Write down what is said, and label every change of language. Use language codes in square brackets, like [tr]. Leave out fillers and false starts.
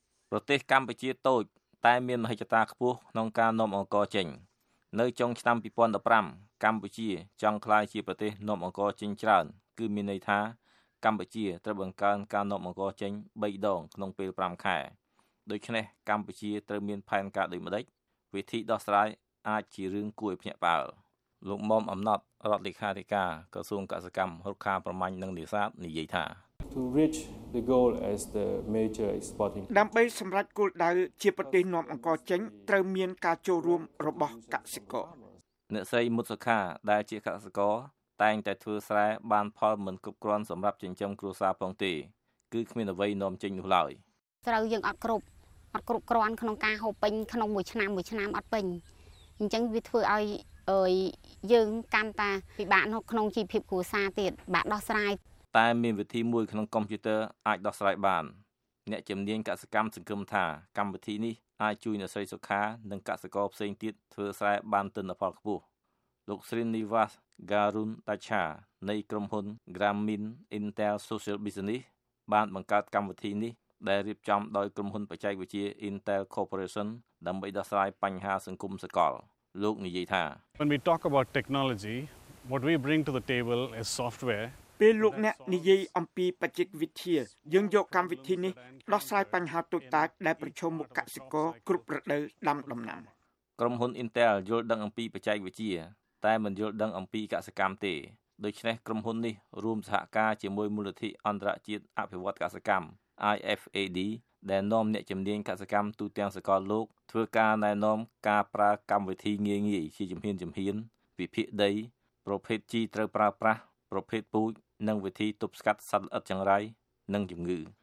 [km] ប្រទេសកម្ពុជាតូចតែមានមហិច្ឆតាខ្ពស់ក្នុងការនាំអង្ករចេញនៅចុងឆ្នាំ2015កម្ពុជាចង់ក្លាយជាប្រទេសនាំអង្ករចេញច្រើនគឺមានន័យថាកម្ពុជាត្រូវបង្កើនការនាំអង្ករចេញ3ដងក្នុងពេល5ខែដូច្នេះកម្ពុជាត្រូវមានផែនការដូចម្តេចវិធីដោះស្រាយអាចជារឿងគួរឲ្យភ្ញាក់ផ្អើលលោកមុំអំណត់រដ្ឋលេខាធិការក្រសួងកសិកម្មរុក្ខាប្រមាញ់និងនេសាទនិយាយថា [en] To reach the goal as the major exporting [km] ដើម្បីសម្រេចគោលដៅជាប្រទេសនាំអង្ករចេញត្រូវមានការចូលរួមរបស់កសិករ អ្នកស្រីមុតសុខាដែលជាកសិករតែងតែធ្វើស្រែបានផលមិនគ្រប់គ្រាន់សម្រាប់ចិញ្ចឹមគ្រួសារផងទេគឺគ្មានអ្វីនាំចេញនោះឡើយ ត្រូវយើងអត់គ្រប់ អត់គ្រប់គ្រាន់ក្នុងការហូបពេញក្នុងមួយឆ្នាំមួយឆ្នាំអត់ពេញអញ្ចឹងវាធ្វើឲ្យយើងកាន់តែពិបាកក្នុងជីវភាពគ្រួសារទៀតបាក់ដោះស្រាយ តែមានវិធីមួយក្នុងកុំព្យូទ័រអាចដោះស្រាយបានអ្នកជំនាញកសិកម្មសង្កឹមថាកម្មវិធីនេះអាចជួយអ្នកស្រីសុខានិងកសិករផ្សេងទៀតធ្វើស្រែបានទិន្នផលខ្ពស់លោកស្រីនីវ៉ាសការុនតាឆានៃក្រុមហ៊ុន Grameen Intel Social Business បានបង្កើតកម្មវិធីនេះដែលរៀបចំដោយក្រុមហ៊ុនបច្ចេកវិទ្យា Intel Corporation ដើម្បីដោះស្រាយបញ្ហាសង្គមសកលលោកនិយាយថា [en] When we talk about technology what we bring to the table is software [km] ពេលលោកអ្នកនិយាយអំពីបច្ចេកវិទ្យាយើងយកកម្មវិធីនេះដោះស្រាយបញ្ហាទូទៅដែលប្រឈមមុខកសិករគ្រប់រដូវដាំដំណាំ ក្រុមហ៊ុន Intel យល់ដឹងអំពីបច្ចេកវិទ្យាតែមិនយល់ដឹងអំពីកសិកម្មទេដូច្នេះក្រុមហ៊ុននេះរួមសហការជាមួយមូលនិធិអន្តរជាតិអភិវឌ្ឍកសិកម្ម IFAD ដែលនាំអ្នកជំនាញកសិកម្មទូទាំងសកលលោកធ្វើការណែនាំការប្រើកម្មវិធីងាយងាយជាជំហានជំហានវិភាគដីប្រភេទជីត្រូវប្រើប្រាស់ប្រភេទពូជនិងវិធីទប់ស្កាត់សត្វល្អិតចង្រៃនិងជំងឺ